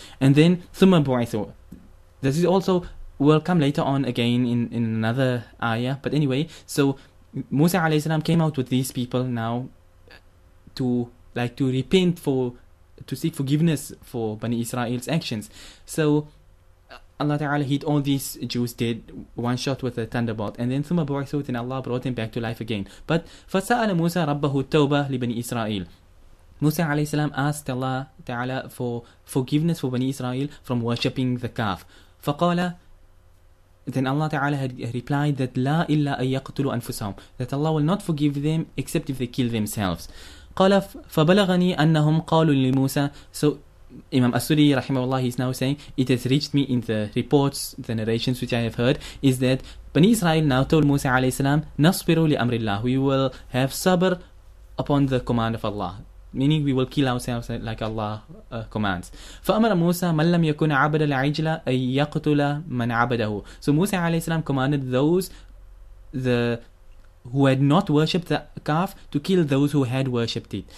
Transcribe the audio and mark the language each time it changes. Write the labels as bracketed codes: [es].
[en] And then thumma bu'ithu, this is also, will come later on again in another ayah, but anyway, so Musa alayhi salam came out with these people now to, like, to repent, for to seek forgiveness for Bani Israel's actions. So Allah Ta'ala hit all these Jews dead one shot with a thunderbolt, and then [ar] ثم بعثوت [en] and Allah brought him back to life again. [ar] But فسأل موسى ربه التوبة لبني إسرائيل. [en] Musa alayhi salam asked Allah Ta'ala for forgiveness for Bani Israel from worshipping the calf. [ar] فقال, [en] then Allah Ta'ala had replied that [ar] لا إلا أن يقتلوا أنفسهم, [en] that Allah will not forgive them except if they kill themselves. [ar] قال فبلغني أنهم قالوا لموسى. [en] So Imam As-Suri rahimahullah, he is now saying, it has reached me in the reports, the narrations which I have heard, is that Bani Israel now told Musa alayhi salam, [ar] نصبروا لأمر الله, [en] we will have sabr upon the command of Allah, meaning we will kill ourselves like Allah commands. [ar] فأمر موسى من لم يكن عبد العجل أن يقتل من عبده. [en] So Musa alayhi salam commanded those who had not worshipped the calf to kill those who had worshipped it.